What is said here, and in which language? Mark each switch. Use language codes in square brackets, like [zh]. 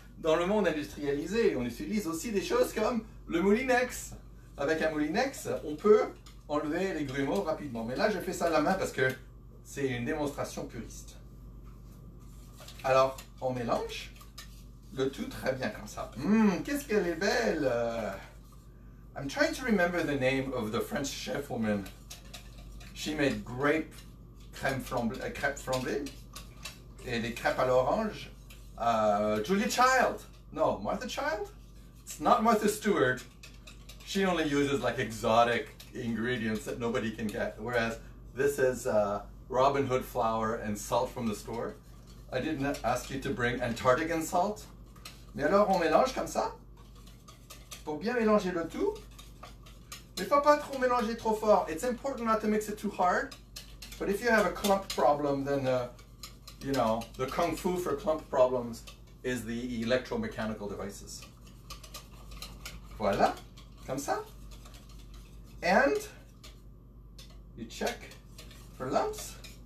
[fr] dans le monde industrialisé, on utilise aussi des choses comme le moulinex. Avec un moulinex, on peut enlever les grumeaux rapidement. Mais là, je fais ça à la main parce que c'est une démonstration puriste. Alors, on mélange le tout très bien comme ça. Mmm, qu'est-ce qu'elle est belle! [en] I'm trying to remember the name of the French chef woman. She made grape [fr] crêpes flambées et des crêpes à l'orange. [en] Julia Child! No, Martha Child? It's not Martha Stewart. She only uses like exotic ingredients that nobody can get. Whereas this is Robin Hood flour and salt from the store. I didn't ask you to bring Antarctic salt. [fr] Mais alors on mélange comme ça, pour bien mélanger le tout. Mais pas trop mélanger trop fort. [en] It's important not to mix it too hard. But if you have a clump problem, then you know, the kung fu for clump problems is the electromechanical devices. [fr] Voilà, comme ça. [en] And you check for lumps.